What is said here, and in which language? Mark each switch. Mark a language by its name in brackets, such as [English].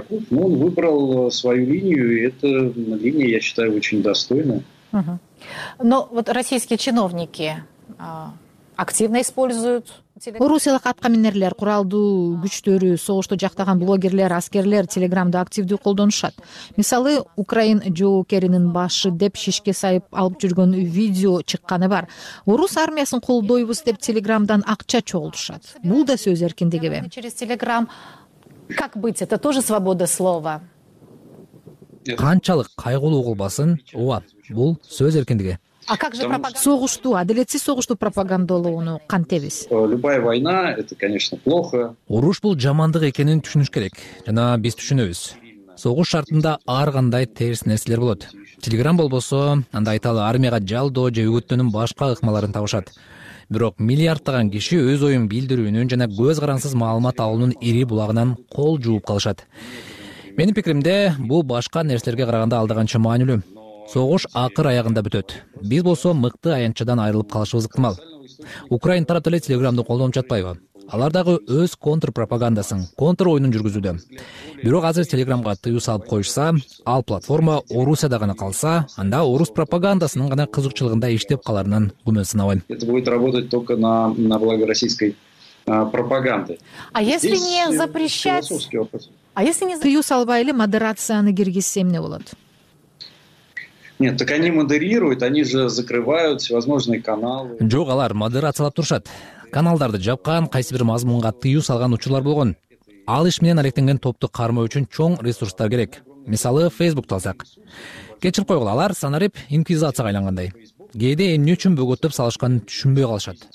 [Russian] Но он выбрал свою линию, и эта линия, я считаю, очень достойна. Но вот российские чиновники активно используют. [Kyrgyz] Орусиялык аткаминерлер, куралдуу күчтөрү, согушту жактаган блогерлер, аскерлер телеграмды активдүү колдонушат. Мисалы, Украин жоокеринин башы деп шишке сайып алып жүргөн видео чыкканы бар. Орус армиясын колдойбуз деп телеграмдан акча чогултушат. Бул да сөз эркиндигиби? [Russian] Через телеграм как быть? Это тоже свобода слова. [Kyrgyz] Канчалык кайгылуу угулбасын, ооба, бул сөз эркиндиги. [Russian] А как же пропаганда? [Kyrgyz] Согушту, адилетсиз согушту пропагандалоону кантебиз? [Russian] Любая война, это, конечно, плохо. [Kyrgyz] Уруш бул жамандык экенин түшүнүш керек. Жана биз түшүнөбүз. Согуш шартында ар кандай терс нерселер болот. Телеграм болбосо, анда айталы армияга жалдоо же үгүттөнүн башка ыкмаларын табышат. Бирок миллиарддаган киши өз оюн билдирүүнүн жана көз карансыз маалымат алуунун ири булагынан кол жууп калышат. Менин пикиримде, бул башка нерселерге караганда алдыганча маанилүү. Согуш акыр аягында бүтөт. Биз болсо мыкты аянтчыдан айрылып калышыбыз ыктымал. Украин тарап деле телеграмды колдонуп жатпайбы? Алар дагы өз контрпропагандасын, контр оюнун жүргүзүүдө. Бирок азыр телеграмга тыюу салып коюшса, ал платформа Орусияда гана калса, анда орус пропагандасынын гана кызыкчылыгында иштеп каларынан күмөн сынабайм. [Russian] Это будет работать только на благо российской пропаганды. А если не запрещать? А если не [Kyrgyz] тыюу салбай эле модерацияны киргизсе эмне болот? [Russian] Нет, так они модерируют, они же закрывают всевозможные каналы. [Kyrgyz] Жок, алар модерациялап турушат. Каналдарды жапкан, кайсы бир мазмунга тыюу салган учурлар болгон. Ал иш менен алектенген топту кармоо үчүн чоң ресурстар керек. Мисалы, Facebook алсак. Кечирип койгула, алар санарип инквизацияга айлангандай. Кээде эмне үчүн бөгөттөп салышканын түшүнбөй калышат.